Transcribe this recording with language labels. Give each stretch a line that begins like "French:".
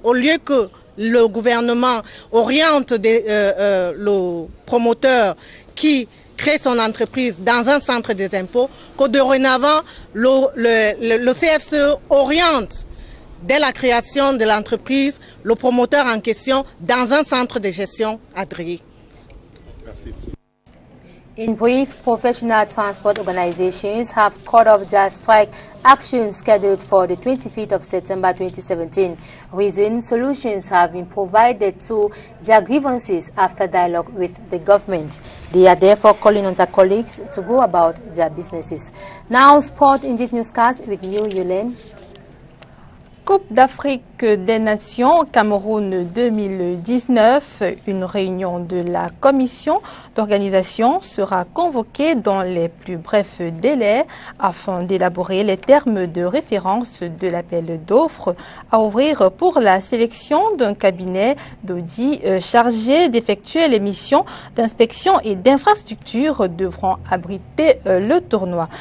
French: Au lieu que le gouvernement oriente le promoteur qui crée son entreprise dans un centre des impôts, que dorénavant le CFCE oriente dès la création de l'entreprise, le promoteur en question dans un centre de gestion agréé. Merci.
English: In brief, professional transport organizations have called off their strike action scheduled for the 25th of September 2017. Reason solutions have been provided to their grievances after dialogue with the government. They are therefore calling on their colleagues to go about their businesses. Now, sport in this newscast with you, Yulene.
French: Coupe d'Afrique des Nations Cameroun 2019, une réunion de la commission d'organisation sera convoquée dans les plus brefs délais afin d'élaborer les termes de référence de l'appel d'offres à ouvrir pour la sélection d'un cabinet d'audit chargé d'effectuer les missions d'inspection et d'infrastructure devront abriter le tournoi.